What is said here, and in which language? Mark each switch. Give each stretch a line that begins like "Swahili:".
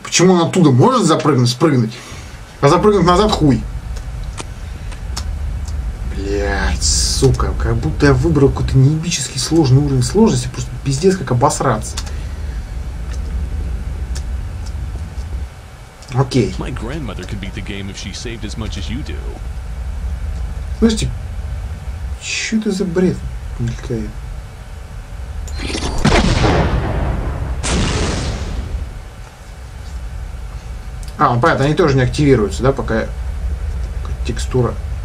Russian: Почему он оттуда может запрыгнуть, спрыгнуть? А запрыгнуть назад хуй. Блять, сука, как будто я выбрал какой-то неебически сложный уровень сложности, просто пиздец как обосраться. Окей.
English: My grandmother could beat the game if she saved as much as you do.
Russian: Слушайте, что это за бред? Мелькает. А, ну понятно, они тоже не активируются, да, пока текстура.